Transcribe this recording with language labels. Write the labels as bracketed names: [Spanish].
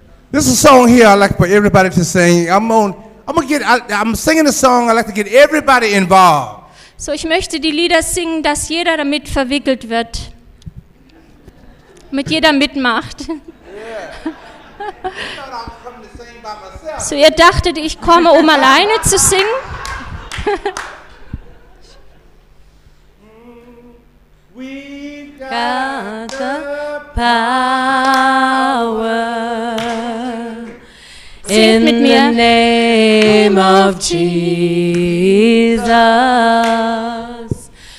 [English] This is a song here I like for everybody to sing. I'm singing a song. I like to get everybody involved. [German] So ich möchte die Lieder singen, dass jeder damit verwickelt wird, mit jeder mitmacht. So ihr dachtet, ich komme, um alleine zu singen? [English] We got the power in the name of Jesus.